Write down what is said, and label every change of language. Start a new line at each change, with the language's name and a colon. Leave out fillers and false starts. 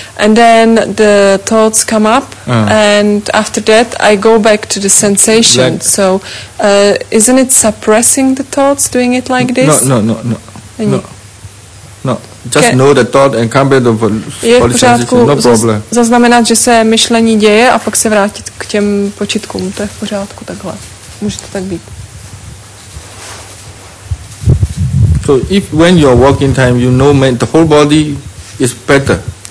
English: And then the thoughts come up, and after that I go back to the sensation. Leg. So isn't it suppressing the thoughts, doing it like this? No. Just know the thought and come back to the sensation, no problem.
Czech: Zaznamenat, že se myšlení děje a pak se vrátit k těm počitkům, to je v pořádku takhle. Může to tak být.
English: So if when you're walking time, you know the whole body is better.